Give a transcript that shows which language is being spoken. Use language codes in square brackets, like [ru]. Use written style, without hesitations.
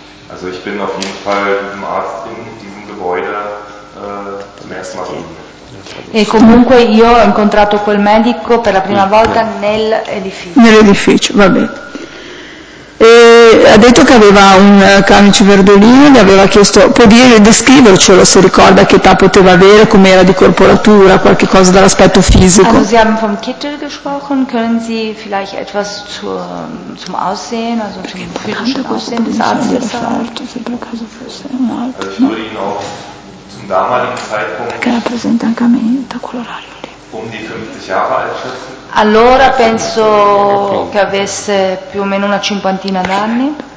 [de] Also ich bin auf jeden Fall diesem Arzt in diesem Gebäude zum ersten Mal. [it] E comunque io ho incontrato quel medico per la prima volta nell'edificio. Nell'edificio, va bene. ha detto che aveva un camice verdolino, gli aveva chiesto, può dire, descrivercelo se ricorda che età poteva avere, come era di corporatura, qualche cosa dall'aspetto fisico. [de] Also, Sie haben vom Kittel gesprochen, können Sie vielleicht etwas zum Aussehen, also zum physischen Aussehen des Arztes sagen? Also, würde ihn auch zum damaligen Zeitpunkt um die 50 Jahre alt schätzen. [it] Allora penso che avesse più o meno una cinquantina d'anni.